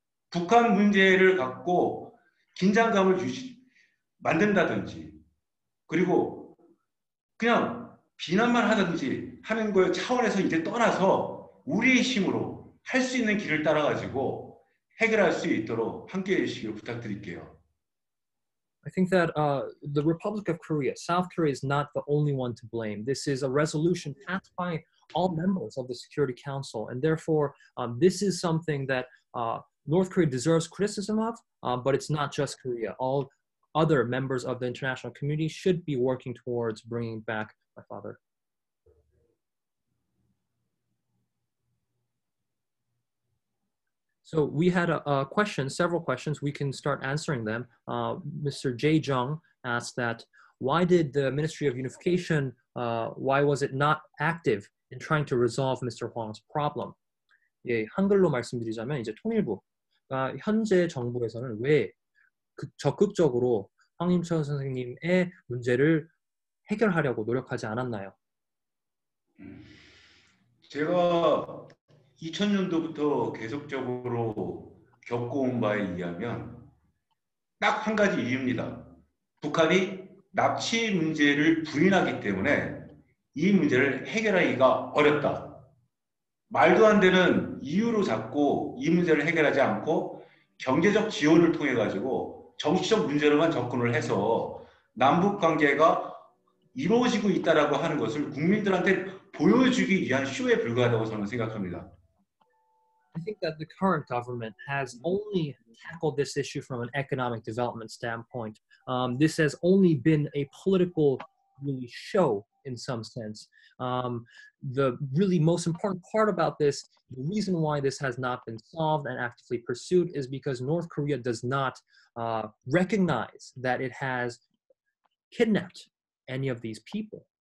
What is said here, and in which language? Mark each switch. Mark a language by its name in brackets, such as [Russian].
[Korean] 북한 문제를 갖고 긴장감을 만든다든지 그리고 그냥 비난만 하든지 하는 거에 차원에서 이제 떠나서 우리의 힘으로 할수 있는 길을 따라가지고 해결할 수 있도록 함께해 주시길 부탁드릴게요. [English] I think that the Republic of Korea, South Korea, is not the only one to blame. This is a resolution passed by all members of the Security Council, and therefore, this is something that North Korea deserves criticism of, but it's not just Korea. All other members of the international community should be working towards bringing back my father. So we had a question, several questions. We can start answering them. Mr. Jay Jung asked that, why did the Ministry of Unification, why was it not active in trying to resolve Mr. Hwang's problem? [Korean] 예, 한글로 말씀드리자면 이제 통일부가 현재 정부에서는 왜그 적극적으로 황인철 선생님의 문제를 해결하려고 노력하지 않았나요? 제가 2000년도부터 계속적으로 겪어온 바에 의하면 딱 한 가지 이유입니다. 북한이 납치 문제를 부인하기 때문에 이 문제를 해결하기가 어렵다. 말도 안 되는 이유로 잡고 이 문제를 해결하지 않고 경제적 지원을 통해 가지고 정치적 문제로만 접근을 해서 남북 관계가 이루어지고 있다라고 하는 것을 국민들한테 보여주기 위한 쇼에 불과하다고 저는 생각합니다. [English] I think that the current government has only tackled this issue from an economic development standpoint. This has only been a political really show in some sense. The really most important part about this, the reason why this has not been solved and actively pursued is because North Korea does not recognize that it has kidnapped any of these people.